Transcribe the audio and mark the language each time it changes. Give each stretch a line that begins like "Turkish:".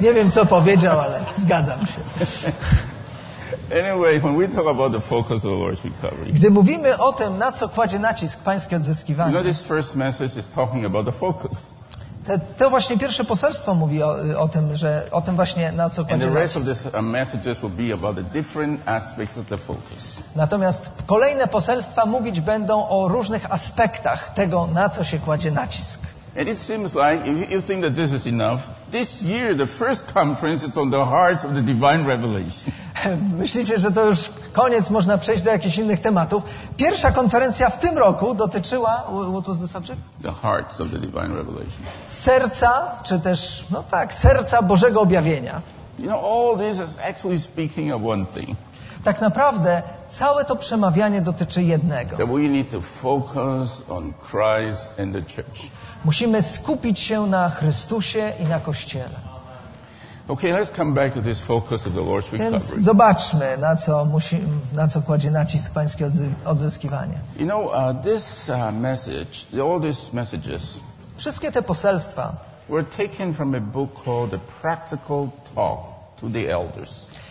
Polish: Nie wiem, co powiedział, ale zgadzam się.
English: Anyway, when we talk about the focus of Lord's recovery.
Polish: Gdy mówimy o tym, na co kładzie nacisk pańskie odzyskiwanie.
English: You know, this first message is talking about the focus.
Polish: To właśnie pierwsze poselstwo mówi o tym, że o tym właśnie na co kładzie nacisk.
English: And the rest of this messages will be about the different aspects of the focus.
Polish: Natomiast kolejne poselstwa mówić będą o różnych aspektach tego, na co się kładzie nacisk.
English: And it seems like if you think that this is enough, this year the first conference is on the hearts of the divine revelation.
Polish: Myślicie, że to już koniec, można przejść do jakichś innych tematów. Pierwsza konferencja w tym roku dotyczyła,
English: what was the subject? The hearts of the divine revelation.
Polish: Serca, czy też, no tak, serca Bożego objawienia.
English: You know, all this is actually speaking of one thing.
Polish: Tak naprawdę całe to przemawianie dotyczy jednego.
English: That we need to focus on Christ and the church.
Polish: Musimy skupić się na Chrystusie i na Kościele.
English: Okay, let's come back to this focus of the Lord's recovery.
Polish: Więc zobaczmy, na co kładzie nacisk pańskie odzyskiwanie.
English: You know, this message, all these messages,
Polish: wszystkie te poselstwa
English: were taken from a book called The Practical Talk to the Elders.